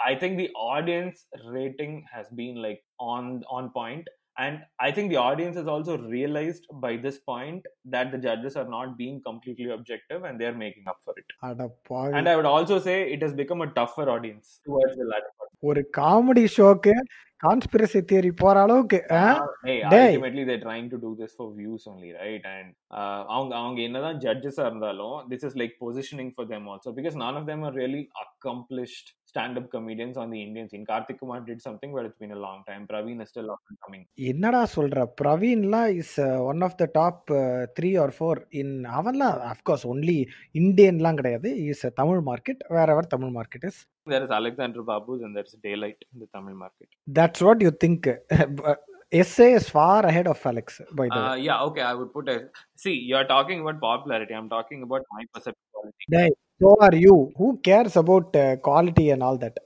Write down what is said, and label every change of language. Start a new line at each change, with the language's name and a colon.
English: I think the audience rating has been like on point, and I think the audience has also realized by this point that the judges are not being completely objective and they are making up for it. And I would also say it has become a tougher audience towards the latter part.
Tamil: ஒரு comedy ஷோக்கு conspiracy theory போற அளவுக்கு
English: Ultimately they trying to do this for views only, right? And
Tamil: அவங்க என்னதான் ஜட்ஜஸா இருந்தாலும்
English: This is like positioning for them also, because none of them are really accomplished stand up comedians on the Indian scene. Karthik Kumar did something but it's been a long time. Praveen is still up and coming.
Tamil: என்னடா சொல்ற,
English: பிரவீன்லாம் is one of the top 3 or 4 in அவன்லாம். Of course only இந்தியன்லாம்
Tamil: கிடையாது,
English: Is a Tamil market. Wherever Tamil market is, there is Alexander Babu's and there is Daylight in the Tamil market. That's what you think. SA is far ahead of Alex, by the way. Yeah, okay. I would put it. See, you are talking about popularity. I'm talking about my perception of quality. Hey, so are you. Who cares about quality and all that?